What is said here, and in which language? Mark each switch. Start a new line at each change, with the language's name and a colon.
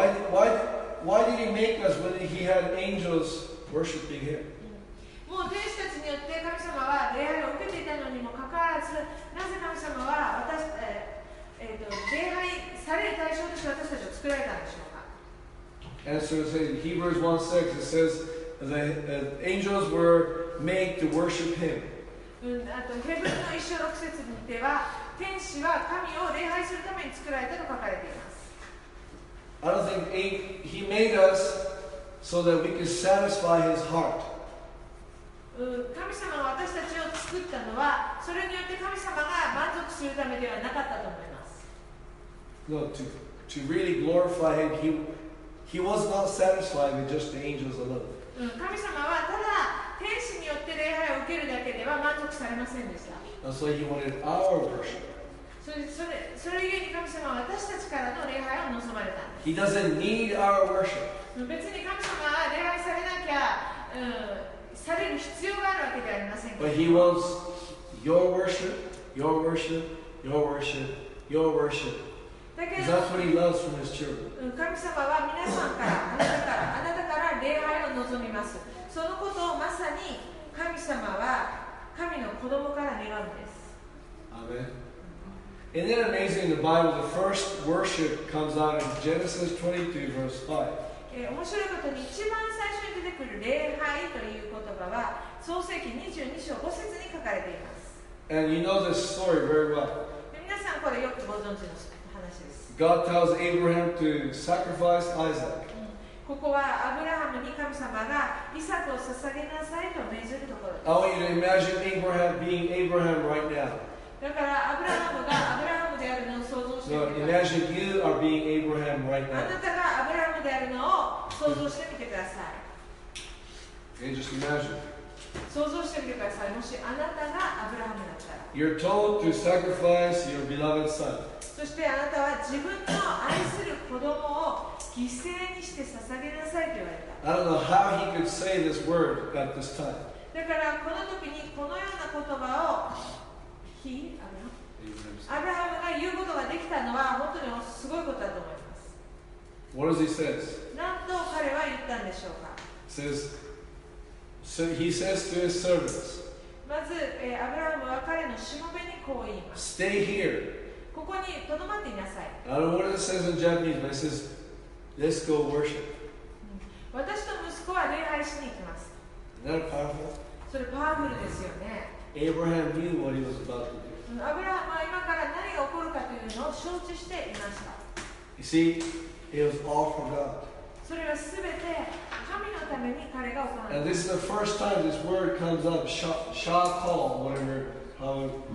English: Why did He make us when He had angels worshiping Him?
Japanese: もう天使たちによって神様は礼拝を受けていたのにもかかわらず、なぜ神様は私、礼拝される対象として私たちを作られたんでしょうか。
English: Answer is in Hebrews 1:6. It says the angels were made to worship him.
Japanese: あとヘブルの1章6節にでは、天使は神を礼拝するために作られたと書かれています。
English: I don't think he made us so that we could satisfy his heart.
Japanese: 神様が私たちを作ったのは、それによって神様が満足するためではなかったと思います。
English: to really glorify him, he was not satisfied with just the angels alone.
Japanese: 神様はただ天使によって礼拝を受けるだけでは満足されませんでした。
English: So he wanted our worship.
Japanese: それゆえに神様は私たちからの礼拝を望まれた。
English: He doesn't need our worship.
Japanese: 別に神様は礼拝されなきゃ、される必要があるわけではありませんけど。
English: But he wants your worship, your worship, your worship, your worship. Because that's what he loves from his children.
Japanese: 神様は皆さんから、あなたから礼拝を望みます。そのことをまさに神様は神の子供から願うんです。
English: Amen. And then amazing, the Bible, the first worship comes out in Genesis 22, verse 5.
Japanese: 面白いことに一番最初に出てくる礼拝という言葉は創世記22章5節に書かれています。
English: And you know this story very well.
Japanese: 皆さんこれよくご存知の話です。
English: God tells Abraham to sacrifice Isaac.
Japanese: ここはアブラハムに神様がイサクを捧げなさいと命じるところです。
English: I want you to imagine Abraham being Abraham right now.
Japanese: だからアブラハムがアブラハムであるのを想像してみてください。
English: No, imagine you are being Abraham right now.
Japanese: あなたがアブラハムであるのを想像してみてください。
English: And just imagine.
Japanese: 想像してみてください。もしあなたがアブラハムだったら。
English: You're told to sacrifice your beloved son.
Japanese: そしてあなたは自分の愛する子供を犠牲にして捧げなさいと言われた。
English: I don't know how he could say this word at this time.
Japanese: だからこの時にこのような言葉をアブラハムが言うことができたのは本当にすごいことだと思います。
English: What does he say?
Japanese: 何と彼は言ったんでしょうか。
English: So he says to his servants.
Japanese: まずアブラハムは彼のしもべにこう言います。
English: Stay here.
Japanese: ここに留まっていなさい。
English: I don't know what it says in Japanese, but it says, "Let's go worship."
Japanese: 私と息子は礼拝しに行きます。
English: Isn't that powerful?
Japanese: それパワフルですよね。
English: Abraham knew what he was about to do.
Japanese: アブラハムは今から何が起こるかというのを承知していました。
English: You see, it was all for God.
Japanese: それはすべて神のために彼が行われました。
English: And this is the first time this word comes up, shakal, whatever, however.